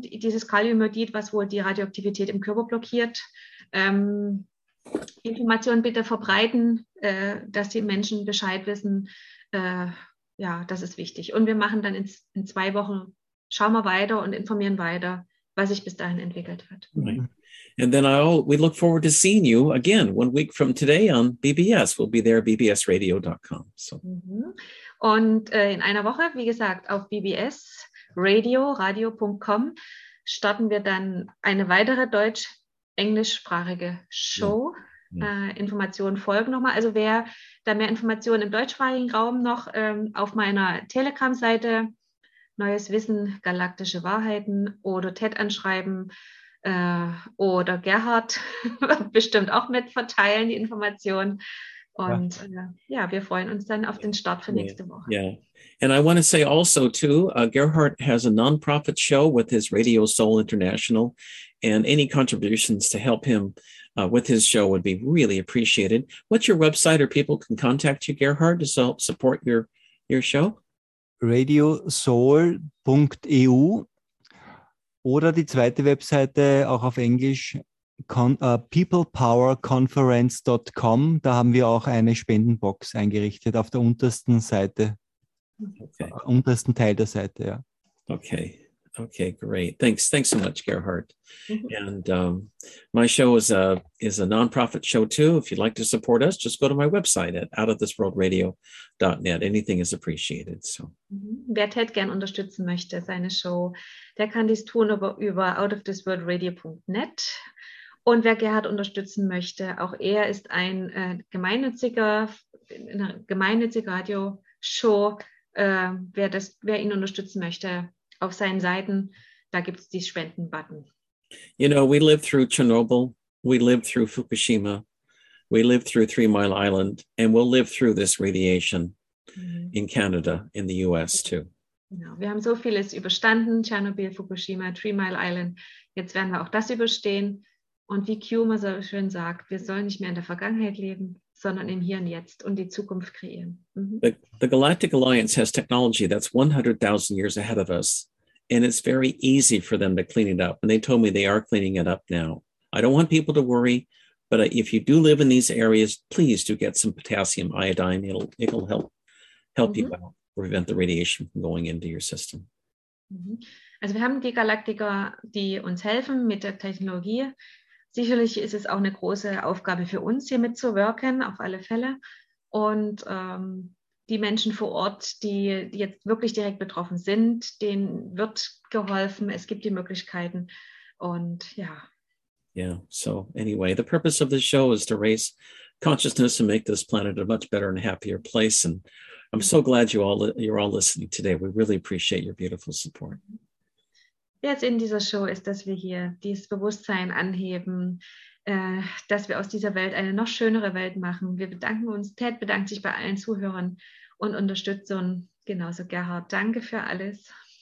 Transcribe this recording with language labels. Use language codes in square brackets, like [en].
[de] Dieses Kaliumiodid, was wohl die Radioaktivität im Körper blockiert. Informationen bitte verbreiten, dass die Menschen Bescheid wissen, ja, das ist wichtig. Und wir machen dann in 2 Wochen, schauen wir weiter und informieren weiter, was sich bis dahin entwickelt hat. [en] Right. And then we look forward to seeing you again 1 week from today on BBS. We'll be there, bbsradio.com. So. [de] Und in einer Woche, wie gesagt, auf BBS Radio, radio.com, starten wir dann eine weitere deutsch-englischsprachige Show. [en] Yeah. [de] Informationen folgen nochmal. Also wer da mehr Informationen im deutschsprachigen Raum noch auf meiner Telegram-Seite Neues Wissen, Galaktische Wahrheiten oder TED anschreiben oder Gerhard bestimmt auch mit verteilen die Informationen. Und ja, wir freuen uns dann auf den Start für nächste Woche. [en] Yeah. And I want to say also too, Gerhard has a non-profit show with his Radio Soul International, and any contributions to help him with his show would be really appreciated. What's your website or people can contact you, Gerhard, to help support your show? [de] Radiosoul.eu oder die zweite Webseite, auch auf Englisch, peoplepowerconference.com. Da haben wir auch eine Spendenbox eingerichtet auf der untersten Seite, okay. Untersten Teil der Seite, ja. [en] Okay. Okay, great. Thanks. Thanks so much, Gerhard. And my show is a nonprofit show too. If you'd like to support us, just go to my website at outofthisworldradio.net. Anything is appreciated. So. [de] Wer Ted gern unterstützen möchte, seine Show, der kann dies tun über outofthisworldradio.net. Und wer Gerhard unterstützen möchte, auch er ist ein gemeinnütziger Radioshow. Wer ihn unterstützen möchte, auf seinen Seiten, da gibt es die Spenden-Button. [en] You know, we lived through Chernobyl, we lived through Fukushima, we lived through Three Mile Island, and we'll live through this radiation in Canada, in the US too. [de] Genau. Wir haben so vieles überstanden, Chernobyl, Fukushima, Three Mile Island. Jetzt werden wir auch das überstehen. Und wie Q immer so schön sagt, wir sollen nicht mehr in der Vergangenheit leben, sondern im Hier und Jetzt und die Zukunft kreieren. [en] The Galactic Alliance has technology that's 100,000 years ahead of us, and it's very easy for them to clean it up. And they told me they are cleaning it up now. I don't want people to worry, but if you do live in these areas, please do get some potassium iodine. It'll help you out, prevent the radiation from going into your system. [de] Also wir haben die Galaktiker, die uns helfen mit der Technologie. Sicherlich ist es auch eine große Aufgabe für uns, hier mitzuwirken, auf alle Fälle. Und die Menschen vor Ort, die jetzt wirklich direkt betroffen sind, denen wird geholfen. Es gibt die Möglichkeiten. Und ja. [en] Yeah, so anyway, the purpose of this show is to raise consciousness and make this planet a much better and happier place. And I'm so glad you're all listening today. We really appreciate your beautiful support. [de] Jetzt in dieser Show ist, dass wir hier dieses Bewusstsein anheben, dass wir aus dieser Welt eine noch schönere Welt machen. Wir bedanken uns, Ted bedankt sich bei allen Zuhörern und Unterstützern, genauso Gerhard. Danke für alles.